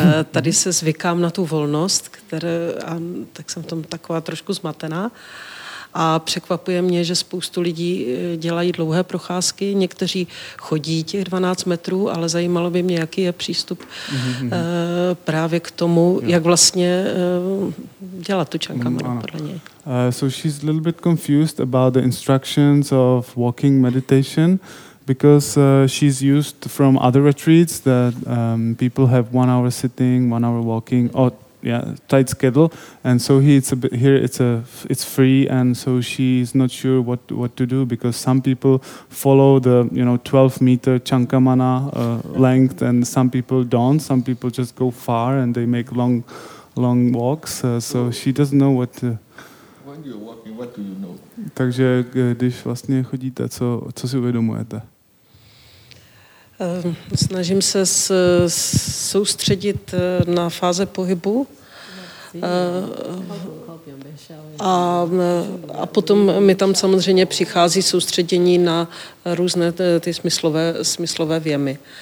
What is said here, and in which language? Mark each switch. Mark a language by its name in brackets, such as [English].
[Czech] Tady se zvykám na tu volnost, tak jsem v tom taková trošku zmatená. A překvapuje mě, že spoustu lidí dělají dlouhé procházky, někteří chodí těch 12 metrů, ale zajímalo by mě, jaký je přístup právě k tomu, jak vlastně dělat tu Čankamanu podle něj. [English] So she's a little bit confused about the instructions of walking meditation, because she's used from other retreats that people have 1 hour sitting, 1 hour walking, tight schedule, and so it's free, and so she's not sure what to do, because some people follow the 12 meter Chankamana length, and some people don't. Some people just go far and they make long walks. So she doesn't know what. When you're walking, what do you know? [Czech] Takže když vlastně chodíte, co si uvědomujete? Snažím se soustředit na fáze pohybu a potom mi tam samozřejmě přichází soustředění na různé ty smyslové vjemy.